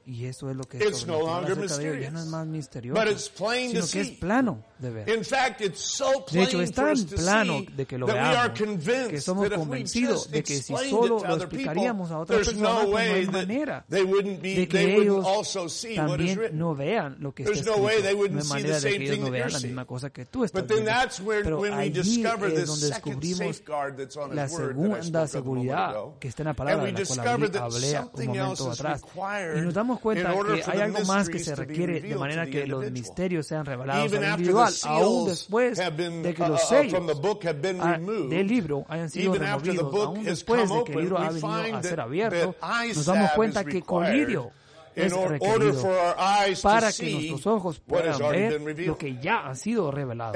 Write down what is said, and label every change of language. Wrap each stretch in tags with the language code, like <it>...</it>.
<es>Y eso es lo que es sobrenatural. Ya no es más misterioso, sino que es plano de ver. De hecho, es tan plano de que lo veamos que somos convencidos de que si solo lo explicaríamos a otras personas, no hay manera de que ellos también no vean lo que está escrito.</es> <en>they wouldn't see the same thing that you're seeing. But then that's where when we discover this second safeguard that's on His word that I spoke a moment ago, and we discover that something else is required in order for the mysteries to be revealed,</en> <es>de manera que los misterios sean revelados</es> <en>even</en> <es>al individual, aún después de que los sellos del libro hayan sido removidos, aún después de que el libro ha venido a ser abierto, nos damos cuenta que colirio es requerido para que nuestros ojos puedan ver lo que ya ha sido revelado.</es>